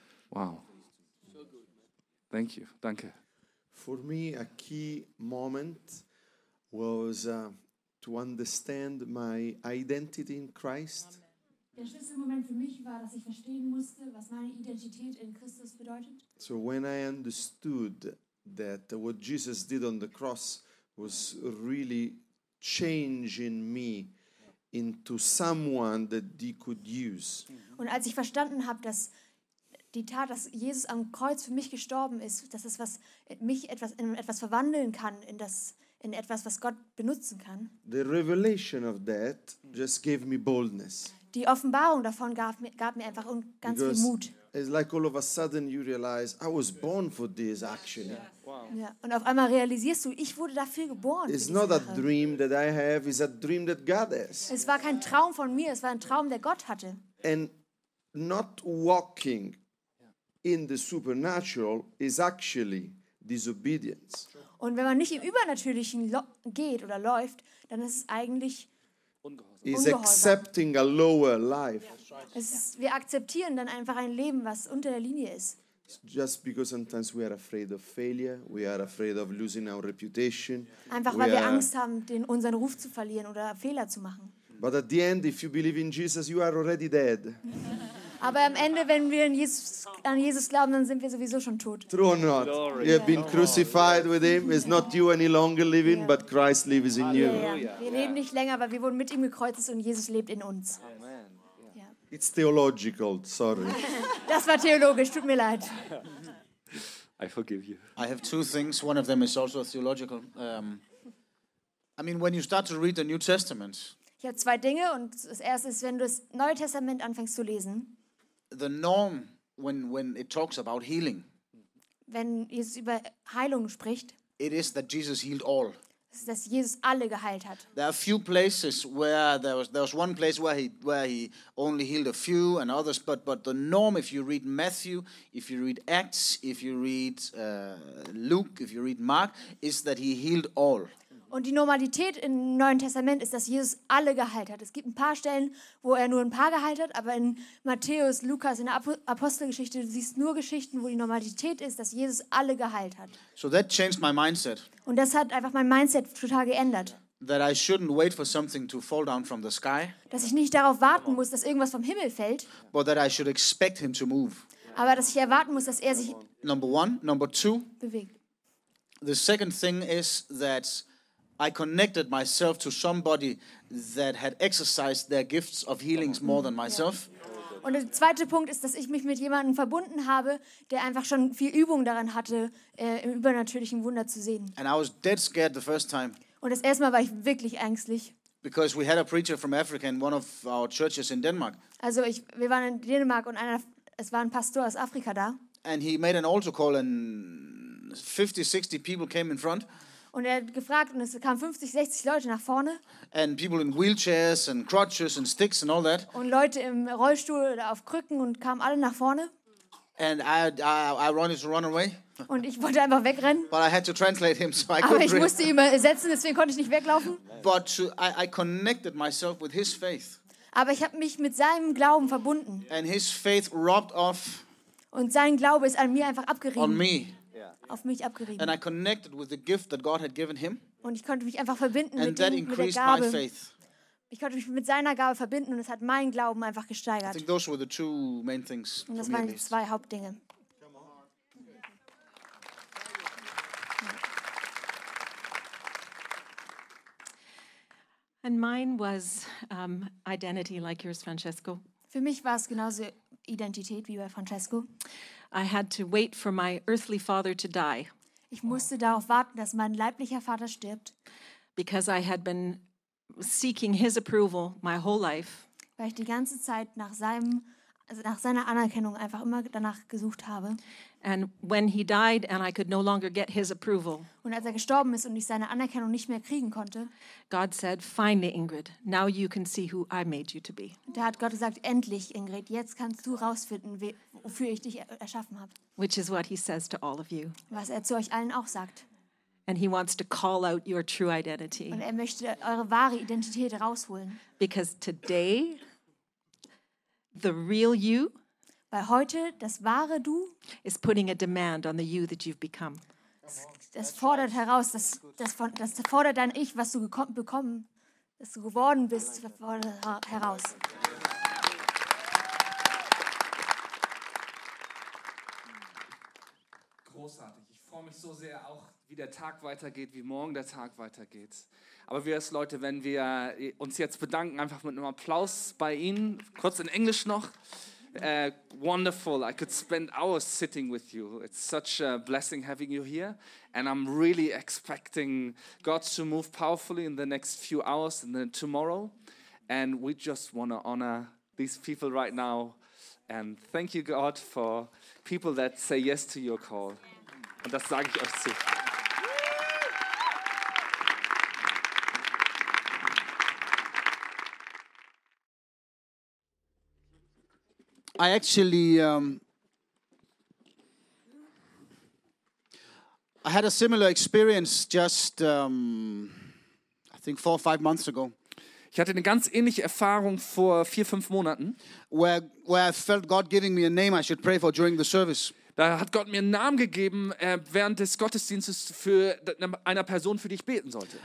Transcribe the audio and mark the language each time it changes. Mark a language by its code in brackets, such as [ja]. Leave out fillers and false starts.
[en] Wow. Thank you. [de] Danke. [en] For me, a key moment was to understand my identity in Christ. [de] Der Schlüsselmoment für mich war, dass ich verstehen musste, was meine Identität in Christus bedeutet. [en] So when I understood that what Jesus did on the cross was really changing me into someone that he could use. [de] Und als ich verstanden habe, dass die Tat, dass Jesus am Kreuz für mich gestorben ist, dass es was mich etwas in etwas verwandeln kann, in das in etwas, was Gott benutzen kann. [en] The revelation of that just gave me boldness. [de] Die Offenbarung davon gab mir einfach ganz viel Mut. [en] It's like all of a sudden you realize I was born for this action. Yeah. [de] Wow. Ja. Und auf einmal realisierst du, ich wurde dafür geboren. [en] It's not a dream that I have, it's a dream that God has. [de] Es war kein Traum von mir, es war ein Traum, der Gott hatte. [en] And not walking in the supernatural is actually disobedience. [de] Und wenn man nicht im Übernatürlichen geht oder läuft, dann ist es eigentlich [en] is accepting a lower life. [de] Es ist, wir akzeptieren dann einfach ein Leben, was unter der Linie ist. [en] It's just because sometimes we are afraid of failure, we are afraid of losing our reputation. [de] Einfach weil wir Angst haben, unseren Ruf zu verlieren oder Fehler zu machen. [en] But at the end, if you believe in Jesus, you are already dead. [de] Aber am Ende, wenn wir an Jesus glauben, dann sind wir sowieso schon tot. [en] True or not? Glory. You have been crucified with him. It's not you any longer living, but Christ lives in you. Yeah, yeah. [de] Wir leben nicht länger, aber wir wurden mit ihm gekreuzigt und Jesus lebt in uns. [en] Yeah. It's theological, sorry. [de] Das war theologisch, tut mir leid. [en] I forgive you. I have two things. One of them is also theological. When you start to read the New Testament. [de] Ich habe zwei Dinge und das erste ist, wenn du das Neue Testament anfängst zu lesen. [en] The norm when it talks about healing. [de] Wenn Jesus über Heilung spricht. [en] It is that Jesus healed all. [de] Ist, dass Jesus alle geheilt hat. [en] There are a few places where there was one place where he only healed a few and others, but the norm, if you read Matthew, if you read Acts, if you read Luke, if you read Mark, is that he healed all. [de] Und die Normalität im Neuen Testament ist, dass Jesus alle geheilt hat. Es gibt ein paar Stellen, wo er nur ein paar geheilt hat, aber in Matthäus, Lukas, in der Apostelgeschichte, du siehst nur Geschichten, wo die Normalität ist, dass Jesus alle geheilt hat. [en] So that changed my mindset. [de] Und das hat einfach mein Mindset total geändert. [en] That I shouldn't wait for something to fall down from the sky. [de] Dass ich nicht darauf warten muss, dass irgendwas vom Himmel fällt. [en] But that I should expect him to move. [de] Aber dass ich erwarten muss, dass er sich [en] number one, number two, [de] bewegt. [en] The second thing is that I connected myself to somebody that had exercised their gifts of healings more than myself. [de] Und der zweite Punkt ist, dass ich mich mit jemandem verbunden habe, der einfach schon viel Übung daran hatte, im übernatürlichen Wunder zu sehen. [en] And I was dead scared the first time. [de] Und das erste Mal war ich wirklich ängstlich. [en] Because we had a preacher from Africa in one of our churches in Denmark. [de] Also wir waren in Dänemark und es war ein Pastor aus Afrika da. [en] And he made an altar call and 50, 60 people came in front. [de] Und er hat gefragt und es kamen 50, 60 Leute nach vorne. [en] And people in wheelchairs and crutches and sticks and all that. [de] Und Leute im Rollstuhl oder auf Krücken und kamen alle nach vorne. [en] And I wanted to run away. [de] Und ich wollte einfach wegrennen. [en] But I had to translate him, so I [de] aber ich musste ihn übersetzen, deswegen konnte ich nicht weglaufen. [en] But I connected myself with his faith. [de] Aber ich habe mich mit seinem Glauben verbunden. [en] And his faith robbed off. [de] Und sein Glaube ist an mir einfach abgerieben. [en] On me. [de] Auf mich abgerieben. [en] And I connected with the gift that God had given him. [de] Und ich konnte mich einfach verbinden mit der Gabe, Ich konnte mich mit seiner Gabe verbinden und es hat meinen Glauben einfach gesteigert. [en] I think those were the two main things. [de] Und das waren die zwei Hauptdinge. [en] And mine was identity like yours, Francesco. [de] Für mich war es genauso Identität wie bei Francesco. [en] I had to wait for my earthly father to die. [de] Ich musste darauf warten, dass mein leiblicher Vater stirbt. [en] Because I had been seeking his approval my whole life. [de] Weil ich die ganze Zeit nach seiner Anerkennung einfach immer danach gesucht habe. [en] And when he died and I could no longer get his approval. [de] Und als er gestorben ist und ich seine Anerkennung nicht mehr kriegen konnte. [en] God said, finally, Ingrid, now you can see who I made you to be. [de] Da hat Gott gesagt, endlich, Ingrid, jetzt kannst du rausfinden, wofür ich dich erschaffen habe. [en] Which is what he says to all of you. [de] Was er zu euch allen auch sagt. [en] And he wants to call out your true identity. [de] Und er möchte eure wahre Identität rausholen. [en] Because today, the real you. [de] Weil heute das wahre Du [en] is putting a demand on the you that you've become. [de] Das fordert heraus, das fordert dein Ich, was du bekommen, das du geworden bist, fordert heraus. Großartig. Ich freue mich so sehr auch, wie der Tag weitergeht, wie morgen der Tag weitergeht. Aber wir als Leute, wenn wir uns jetzt bedanken, einfach mit einem Applaus bei Ihnen, kurz in Englisch noch. [en] Wonderful, I could spend hours sitting with you. It's such a blessing having you here. And I'm really expecting God to move powerfully in the next few hours and then tomorrow. And we just want to honor these people right now. And thank you, God, for people that say yes to your call. [de] Und das sage ich euch zu. [en] I actually I had a similar experience just I think 4 or 5 months ago. [de] Ich hatte eine ganz ähnliche Erfahrung vor 4-5 Monaten, [en] where I felt God giving me a name I should pray for during the service. [de] Da hat Gott mir einen Namen gegeben während des Gottesdienstes für einer Person, für die ich beten sollte.